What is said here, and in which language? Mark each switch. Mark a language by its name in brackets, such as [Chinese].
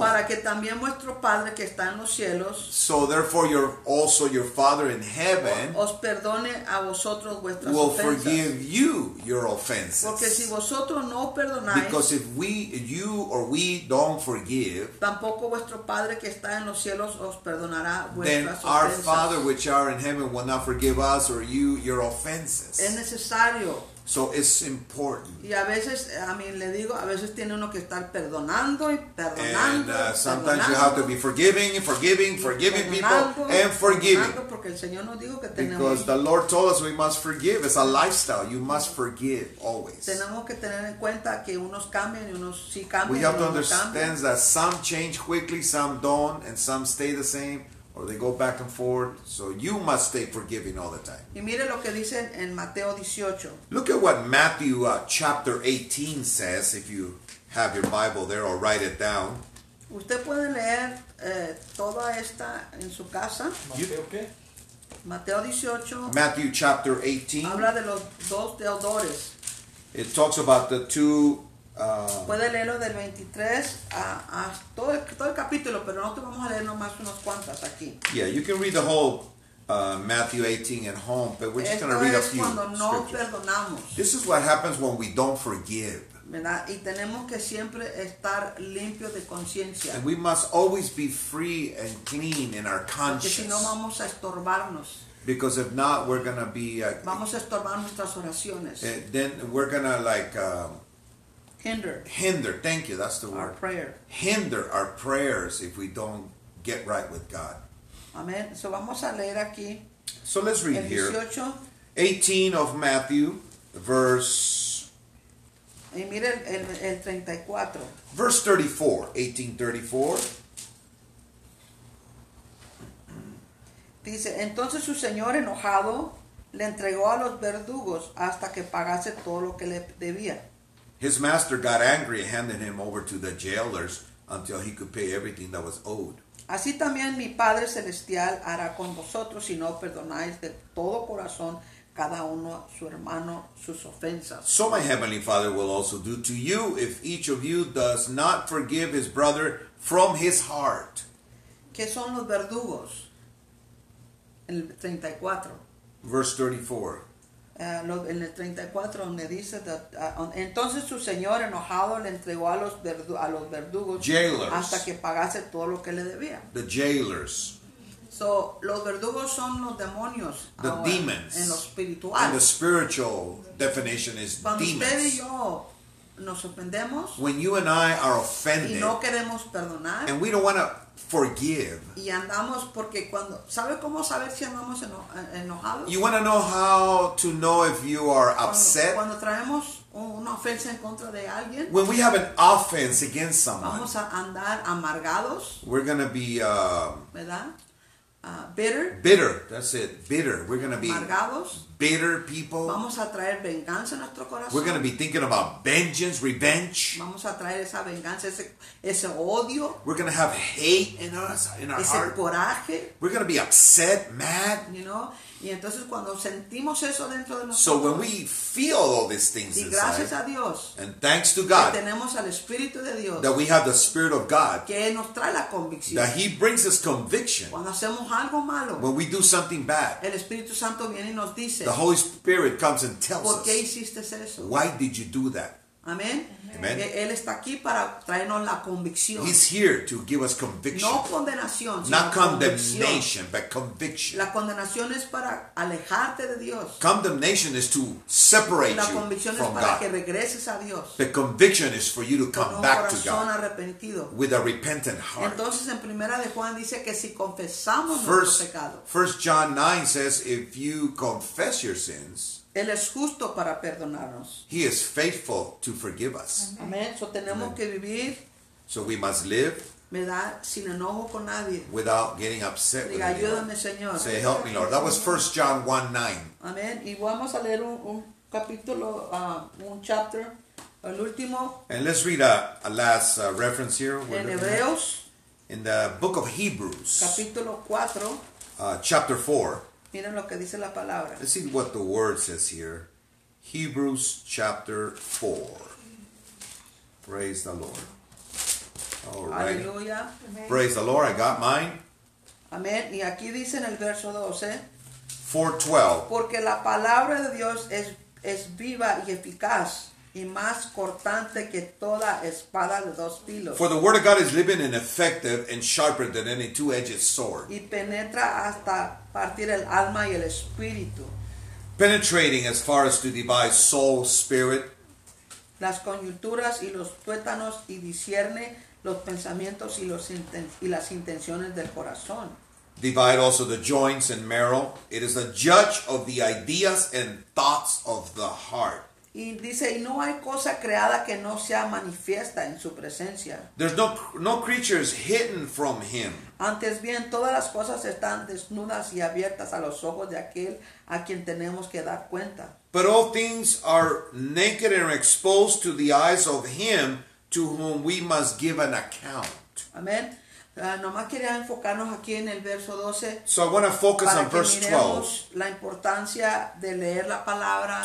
[Spanish] Para que también vuestro Padre que está en los cielos, [English] so therefore your also your Father in heaven [Spanish] os perdone a vosotros vuestras [English] will [Spanish] ofensas. [English] Forgive you your offenses. [Spanish] Porque si vosotros no perdonáis, [English] because if we you or we don't forgive, [Spanish] tampoco vuestro Padre que está en los cielos os perdonará vuestras ofensas. [English] Then our Father which are in heaven will not forgive us or you your offenses. [Spanish] Es necesario. [English] So it's important. [Spanish] Y a veces, [English] I mean, [Spanish] le digo, a veces tiene uno que estar perdonando y perdonando. [English] And sometimes you have to be forgiving and forgiving, forgiving people and forgiving. [Spanish] Porque el Señor nos dijo que tenemos. [English] Because the Lord told us we must forgive. It's a lifestyle. You must forgive always. [Spanish] Tenemos que tener en cuenta que unos cambian y unos sí cambian. [English] We have to understand that some change quickly, some don't, and some stay the same. Or they go back and forth. So you must stay forgiving all the time. [Spanish] Y mire lo que dice en Mateo 18. [English] Look at what Matthew chapter 18 says. If you have your Bible there or write it down. [Spanish] Usted puede leer toda esta en su casa. Mateo qué? Mateo 18, [English] Matthew chapter 18, [Spanish] habla de los dos deudores. [English] It talks about the two. [Spanish] Puede leerlo del 23 a todo el capítulo, pero nosotros vamos a leer nomás unas cuantas aquí. [English] Yeah, you can read the whole Matthew 18 at home, but we're just going to read a few. [Spanish] Esto es cuando no perdonamos. [English] This is what happens when we don't forgive. [Spanish] ¿Verdad? Y tenemos que siempre estar limpio de conciencia. [English] And we must always be free and clean in our conscience. [Spanish] Porque si no vamos a estorbarnos. [English] Because if not, we're going to be. [Spanish] Vamos a estorbar nuestras oraciones. [English] Then we're going to like. Hinder. Hinder. Thank you. That's the word. Our prayer. Hinder our prayers if we don't get right with God. [Spanish] Amen. So vamos a leer aquí. [English] So let's read 18. Here. 18 of Matthew, verse. [Spanish] Y mire el 34. [English] Verse 18:34. [Spanish] Dice, entonces su señor enojado le entregó a los verdugos hasta que pagase todo lo que le debía. [English] His master got angry and handed him over to the jailers until he could pay everything that was owed. [Spanish] Así también mi Padre Celestial hará con vosotros si no perdonáis de todo corazón cada uno a su hermano sus ofensas. [English] So my Heavenly Father will also do to you if each of you does not forgive his brother from his heart. [Spanish] ¿Qué son los verdugos? En el 34. [English] Verse 34. [Spanish] En el 34 donde dice entonces su señor enojado le entregó a los verdugos [English] jailers, [Spanish] hasta que pagase todo lo que le debía. [English] The jailers. [Spanish] So los verdugos son los demonios. [English] The demons. [Spanish] En lo espiritual. [English] And the spiritual definition is [Spanish] cuando [English] demons. [Spanish] Cuando usted y yo nos ofendemos. [English] When you and I are offended. [Spanish] Y no queremos perdonar. [English] And we don't want to forgive. [Spanish] Y andamos porque cuando, ¿sabe cómo saber si andamos enojados? [English] You want to know how to know if you are upset. [Spanish] Cuando traemos una ofensa en contra de alguien. [English] When we have an offense against someone. [Spanish] Vamos a andar amargados. [English] We're going to be [Spanish] ¿verdad? [English] Bitter. Bitter, that's it. Bitter. We're going to be [Spanish] amargados. [English] Bitter people. [Spanish] Vamos a traer venganza a nuestro corazón. [English] We're going to be thinking about vengeance, revenge. [Spanish] Vamos a traer esa venganza, ese odio. [English] We're going to have hate in us, in our [Spanish] ese [English] heart. [Spanish] Coraje. [English] We're going to be upset, mad. You know? [Spanish] Y entonces cuando sentimos eso dentro de nosotros. [English] So when we feel all these things inside. [Spanish] Y gracias a Dios. [English] And thanks to God. [Spanish] Que tenemos al Espíritu de Dios. [English] That we have the Spirit of God. [Spanish] Que nos trae la convicción. [English] That He brings us conviction. [Spanish] Cuando hacemos algo malo. [English] When we do something bad. [Spanish] El Espíritu Santo viene y nos dice. [English] The Holy Spirit comes and tells [Spanish] ¿por qué hiciste eso? [English] Why did you do that? [Spanish] Amen. [English] Amen. [Spanish] Él está aquí para traernos la convicción. [English] He's here to give us conviction. [Spanish] No condenación, sino [English] not condemnation, but conviction. [Spanish] La condenación es para alejarte de Dios. [English] Condemnation is to separate [Spanish] la convicción [English] you from [Spanish] es para [English] God. [Spanish] Que regreses a Dios. [English] The conviction is for you to come back to God. [Spanish] Con un corazón arrepentido. [English] With a repentant heart. [Spanish] Entonces en Primera de Juan dice que si confesamos nuestro pecado. [English] First John 9 says if you confess your sins. [Spanish] Él es justo para perdonarnos. [English] He is faithful to forgive us. [Spanish] Amen. So tenemos Amen. Que vivir. [English] So we must live. [Spanish] ¿Verdad? Sin enojo con nadie. [English] Without getting upset [Spanish] diga, Ayúdame, Señor. [English] Say, help me, Lord. That was 1 John 1, 9. Amen. [Spanish] Y vamos a leer un capítulo, un chapter, el último. [English] And let's read a last reference here. [Spanish] En Hebreos. [English] In the book of Hebrews. [Spanish] Capítulo 4. [English] Chapter 4. [Spanish] Miren lo que dice la palabra. [English] Let's see what the word says here. Hebrews chapter 4. Praise the Lord. All right. [Spanish] Aleluya. [English] Praise the Lord. I got mine. [Spanish] Amén. Y aquí dice en el verso 12. [English] 4:12. [Spanish] Porque la palabra de Dios es viva y eficaz. Y más cortante que toda espada de dos filos. [English] For the word of God is living and effective and sharper than any two-edged sword. [Spanish] Y penetra hasta partir el alma y el espíritu. [English] Penetrating as far as to divide soul, spirit. [Spanish] Las coyunturas y los tuétanos y discierne los pensamientos y las intenciones del corazón. [English] Divide also the joints and marrow. It is the judge of the ideas and thoughts of the heart. [Spanish] Y dice, y no hay cosa creada que no sea manifiesta en su presencia. [English] There's no creatures hidden from him. [Spanish] Antes bien, todas las cosas están desnudas y abiertas a los ojos de aquel a quien tenemos que dar cuenta. [English] But all things are naked and exposed to the eyes of him to whom we must give an account. [Spanish] Amen. Nomás quería enfocarnos aquí en el verso 12. [English] So I want to focus on verse 12. [Spanish] La importancia de leer la palabra.